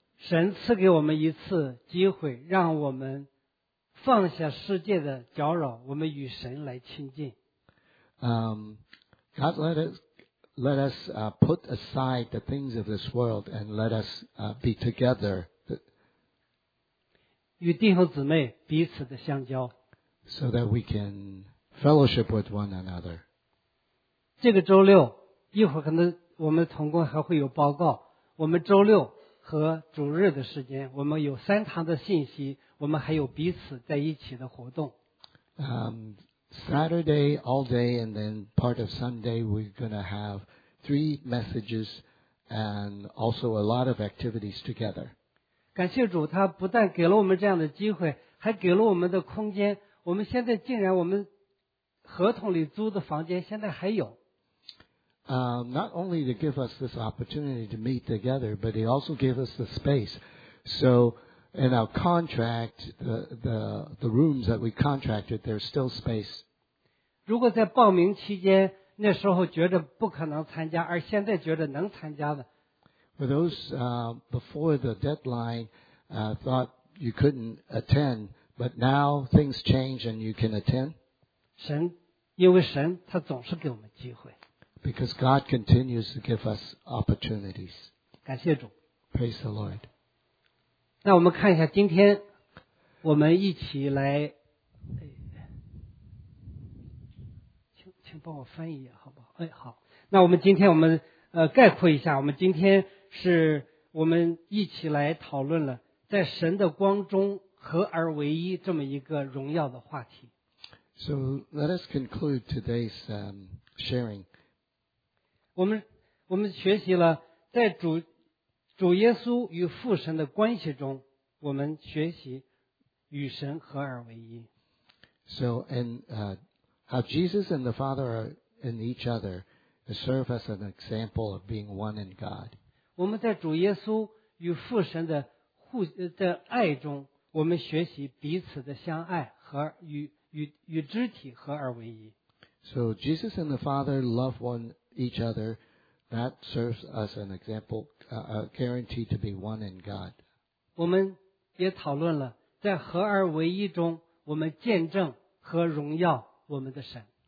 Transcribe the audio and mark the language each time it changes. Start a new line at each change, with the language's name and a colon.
Chinese: 神赐给我们一次机会，让我们放下世界的搅扰，我们与神来亲近。
English: God let us put aside the things of this world and let us be together.
Chinese: 与弟兄姊妹彼此的相交
English: so that we can fellowship with one another.
Chinese: 这个周六一会儿可能我们同工还会有报告，我们周六和主日的时间我们有三堂的信息，我们还有彼此在一起的活动。
English: Saturday all day and then part of Sunday we're going to have three messages and also a lot of activities together.
Chinese: 感谢主，他不但给了我们这样的机会，还给了我们的空间。我们现在竟然我们合同里租的房间现在还有。
English: Not only to give us this opportunity to meet together, but he also gave us the space. So in our contract, the rooms that we contracted, there's still space.
Chinese: 如果在报名期间那时候觉得不可能参加，而现在觉得能参加的。
English: For those before the deadline thought you couldn't attend, but now things change and you can attend.
Chinese: 神，因为神他总是给我们机会。
English: Because God continues to give us opportunities.
Chinese: 感谢主。
English: Praise the Lord.
Chinese: 那我们看一下今天我们一起来，请帮我翻译一下好不好？哎，好。那我们今天我们概括一下，我们今天。是我们一起来讨论了在神的光中合而为一这么一个荣耀的话题。
English: So let us conclude today's sharing.
Chinese: 我们学习了在主耶稣与父神的关系中，我们学习与神合而为一。
English: So and how Jesus and the Father are in each other serve as an example of being one in God.
Chinese: 我们在主耶稣与父神的爱中，我们学习彼此的相爱和与肢体合而为一。
English: So Jesus and the Father love one each other, that serves as an example, a guarantee to be one in God.
Chinese: 我们也讨论了在合而为一中，我们见证和荣耀我们的神。